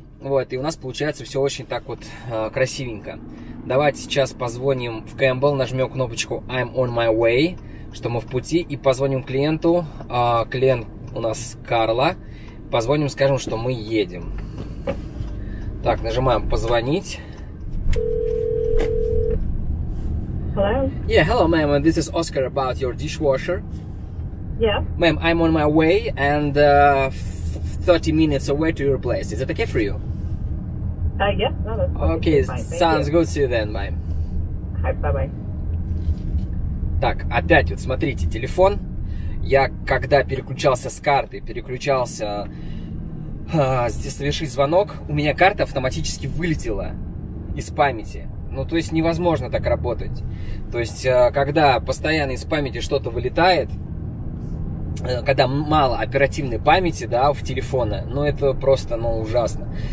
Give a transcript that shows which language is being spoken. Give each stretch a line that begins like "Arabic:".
Russian: Вот, и у нас получается все очень так вот красивенько. Давайте сейчас позвоним в Campbell, нажмем кнопочку
English: I'm on my way,
Russian: что мы в пути, и позвоним клиенту. Клиент у нас Карла. Позвоним, скажем, что мы едем. Так, нажимаем позвонить.
English: Hello? Yeah, hello, ma'am. This is Oscar about your dishwasher. Yeah. Ma'am, I'm on my way and 30 minutes away to your place. Is it okay for you? Yeah, no, that's okay. Okay, sounds good to you then, ma'am. Bye-bye.
Russian: Так, опять вот смотрите, телефон. Я когда переключался с карты, переключался здесь совершить звонок, у меня карта автоматически вылетела из памяти. Ну, то есть невозможно так работать. То есть, когда постоянно из памяти что-то вылетает, когда мало оперативной памяти, да, в телефоне, ну, это просто, ну, ужасно.